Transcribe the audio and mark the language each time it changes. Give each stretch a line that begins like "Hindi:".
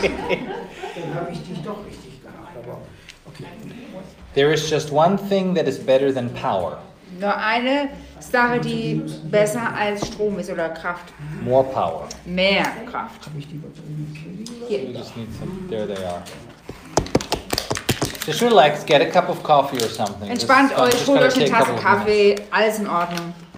German: Dann habe ich dich doch richtig gehabt. Okay.
English: There is just one thing that is better than power.
German: Nur eine Sache, die besser als Strom ist oder Kraft.
English: More power.
German: Mehr Kraft.
English: Hier. You just need some. There they are. Just relax, get a cup of coffee or something.
German: Entspannt euch, holt euch eine Tasse Kaffee, alles in Ordnung.